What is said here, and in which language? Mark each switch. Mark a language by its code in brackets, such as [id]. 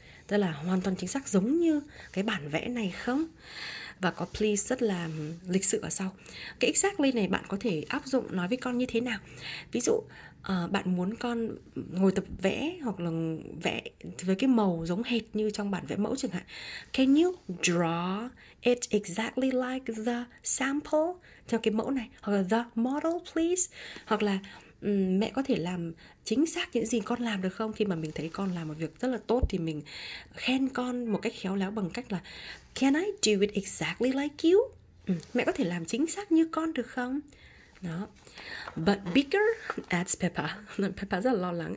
[vi] Tức là hoàn toàn chính xác giống như cái bản vẽ này không? Và có please rất là lịch sự ở sau. Cái exactly này bạn có thể áp dụng nói với con như thế nào? Ví dụ bạn muốn con ngồi tập vẽ hoặc là vẽ với cái màu giống hệt như trong bản vẽ mẫu chẳng hạn. [en] Can you draw it exactly like the sample? [vi] Theo cái mẫu này. Hoặc là [en] the model please. [vi] Hoặc là mẹ có thể làm chính xác những gì con làm được không? Khi mà mình thấy con làm một việc rất là tốt thì mình khen con một cách khéo léo bằng cách là [en] "Can I do it exactly like you?" [vi] Mẹ có thể làm chính xác như con được không? Đó. [en] "But bigger," adds Peppa. [vi] Peppa rất là lo lắng.